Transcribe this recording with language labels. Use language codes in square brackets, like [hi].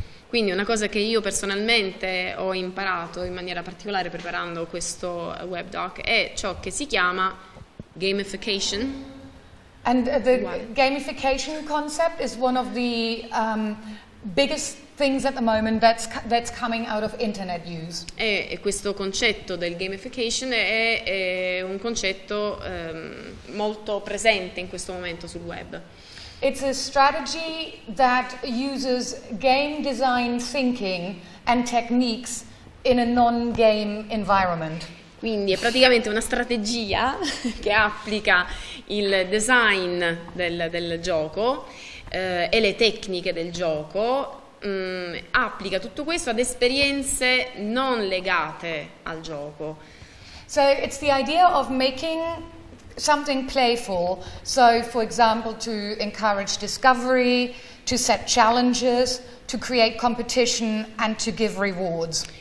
[it] Quindi una cosa che io personalmente ho imparato in maniera particolare preparando questo web doc è ciò che si chiama gamification. [en] And the gamification concept is one of the biggest things at the moment that's coming out of internet use. [it] E questo concetto del gamification è un concetto molto presente in questo momento sul web. [en] It's a strategy that uses game design thinking and techniques in a non-game environment. [it] Quindi è praticamente una strategia che applica il design del gioco e le tecniche del gioco. Applica tutto questo ad esperienze non legate al gioco. [en] So it's the idea of making something playful, so for example to encourage discovery, to set challenges, to create competition and to give rewards.